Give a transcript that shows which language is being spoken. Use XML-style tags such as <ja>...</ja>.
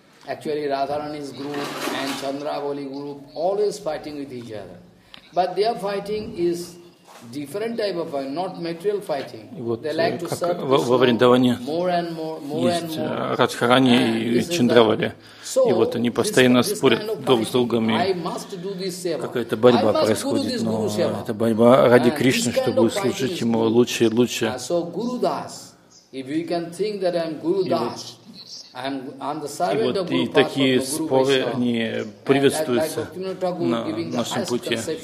<en>Actually, Radharani's group and Chandravali group always fighting with each other, but their fighting is different type of fighting, not material fighting.</en> <ru>Вот,</ru> <en>they like to serve more and more, more and more.</en> <ru>Есть Радхарани и Чандравали, и вот они постоянно спорят друг с другом, и какая-то борьба происходит. Но это борьба ради Кришны, чтобы служить ему лучше и лучше.</ru> <en>So Guru Das, if you can think that I'm Guru Das.</en> <ru>И вот и такие споры, они приветствуются на нашем пути.</ru>